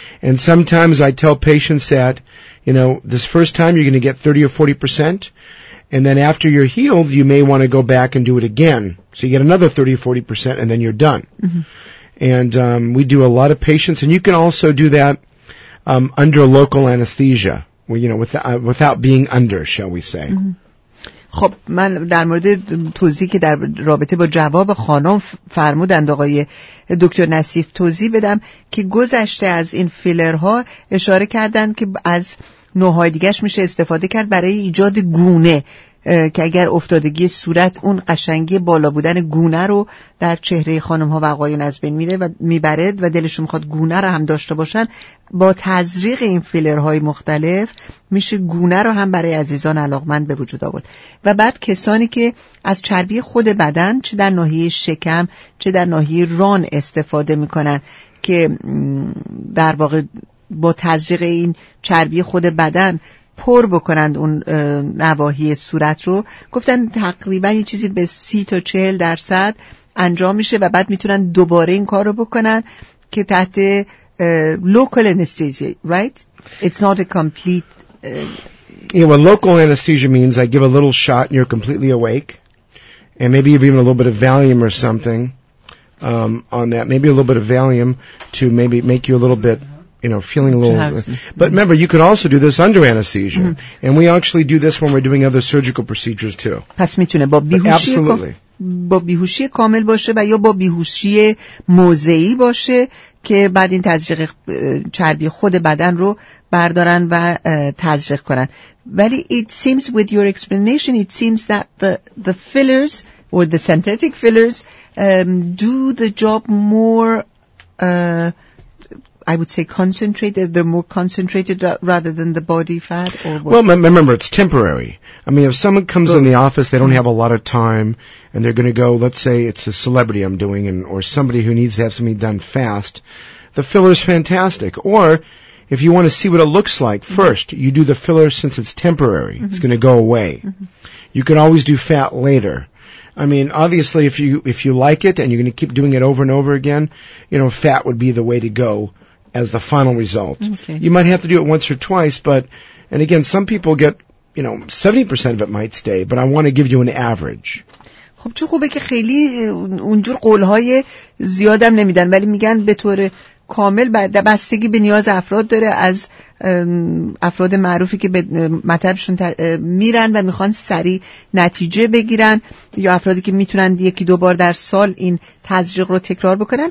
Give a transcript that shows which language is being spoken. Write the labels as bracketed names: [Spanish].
[English] And sometimes I tell patients that, you know, this first time you're going to get 30 or 40%, and then after you're healed, you may want to go back and do it again. So you get another 30 or 40%, and then you're done. Mm-hmm. And we do a lot of patients, and you can also do that under local anesthesia, you know, without being under, shall we say. [Persian] خب من در مورد توضیحی که در رابطه با جواب خانم فرمودند آقای دکتر نصیف توضیح بدم که گذشته از این فیلرها اشاره کردند که از نوعهای دیگرش میشه استفاده کرد برای ایجاد گونه. که اگر افتادگی صورت اون قشنگی بالا بودن گونه رو در چهره خانم ها و آقایون از بین میره و میبرد و دلشون میخواد گونه رو هم داشته باشن با تزریق این فیلرهای مختلف میشه گونه رو هم برای عزیزان علاقمند به وجود آورد و بعد کسانی که از چربی خود بدن چه در ناحیه شکم چه در ناحیه ران استفاده میکنن که در واقع با تزریق این چربی خود بدن پر بکنند اون نواحی صورت رو گفتن تقریبا یه چیزی به 30 تا 40% انجام میشه و بعد میتونن دوباره این کار رو بکنن که تحت [English] local anesthesia, right? It's not a complete... Yeah, well, local anesthesia means I give a little shot and you're completely awake and maybe you've even a little bit of Valium or something on that. Maybe a little bit of Valium to maybe make you a little bit... You know, feeling a little... But remember, you could also do this under anesthesia. Mm-hmm. And we actually do this when we're doing other surgical procedures, too. [Persian] پس میتونه با بیهوشی کامل باشه و یا با بیهوشی موضعی باشه که بعد این تزریق چربی خود بدن رو بردارن و تزریق کنن. [English] ولی it seems with your explanation, it seems that the fillers or the synthetic fillers do the job more... I would say concentrated, they're more concentrated rather than the body fat? Or what? Well, remember, it's temporary. I mean, if someone comes in the office, they don't have a lot of time, and they're going to go, let's say it's a celebrity I'm doing, and or somebody who needs to have something done fast, the filler's fantastic. Or if you want to see what it looks like, mm-hmm. first, you do the filler since it's temporary. Mm-hmm. It's going to go away. Mm-hmm. You can always do fat later. I mean, obviously, if you like it and you're going to keep doing it over and over again, you know, fat would be the way to go as the final result. Okay. You might have to do it once or twice, but, and again, some people get, you know, 70% of it might stay, but I want to give you an average. [Persian] خب چون خوبه که خیلی اونجور قولهای زیادم نمیدن ولی میگن به طور کامل بستگی به نیاز افراد داره، از افراد معروفی که به مطبشون میرن و میخوان سریع نتیجه بگیرن یا افرادی که میتونن یکی دو بار در سال این تزریق رو تکرار بکنن.